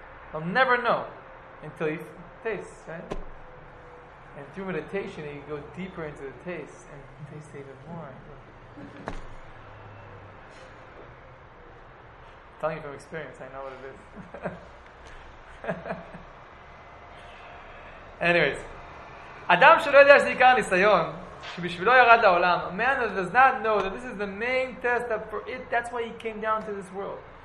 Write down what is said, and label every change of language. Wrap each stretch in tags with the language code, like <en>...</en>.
<en>He'll never know until he tastes, right? And through meditation, he goes deeper into the taste and taste even more. I'm telling you from experience, I know what it is. Anyways.</en> <he>Adam שלא יודע שנקרא ניסיון.</he> <en>A man that does not know that this is the main test that for it, that's why he came down to this world.</en>